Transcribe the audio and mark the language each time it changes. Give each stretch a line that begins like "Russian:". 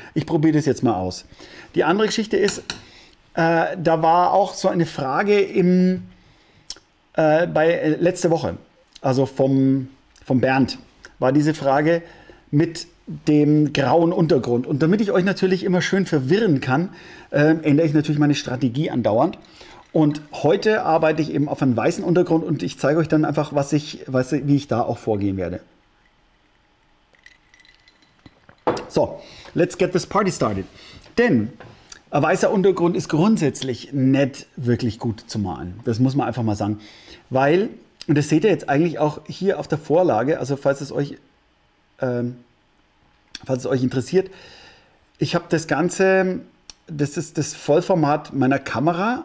German: Ich probiere das jetzt mal aus. Die andere Geschichte ist, da war auch so eine Frage bei letzte Woche, also vom Bernd, war diese Frage mit dem grauen Untergrund. Und damit ich euch natürlich immer schön verwirren kann, ändere ich natürlich meine Strategie andauernd. Und heute arbeite ich eben auf einem weißen Untergrund und ich zeige euch dann einfach, wie ich da auch vorgehen werde.
English: So, let's get this party started.
German: Denn ein weißer Untergrund ist grundsätzlich nicht wirklich gut zu malen. Das muss man einfach mal sagen. Weil, und das seht ihr jetzt eigentlich auch hier auf der Vorlage, also falls es euch interessiert, ich habe das Ganze, das ist das Vollformat meiner Kamera.